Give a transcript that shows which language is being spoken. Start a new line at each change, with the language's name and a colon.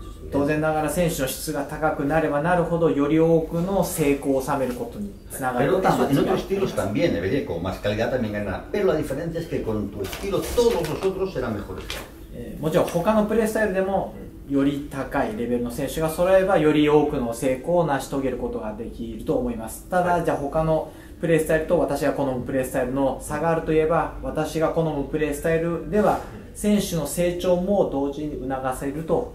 Japanese: 当然ながら選手の質が高くなればなるほどより多くの成功を収めることにつながることは間違いない。
Spanish: también debería con más calidad también ganar. Pero la diferencia es que con tu estilo todos los otros serán mejores.
Japanese: もちろん他のプレースタイルでも。より高いレベルの選手が揃えばより多くの成功を成し遂げることができると思います。ただじゃあ他のプレースタイルと私が好むプレースタイルの差があるといえば私が好むプレースタイルでは選手の成長も同時に促せると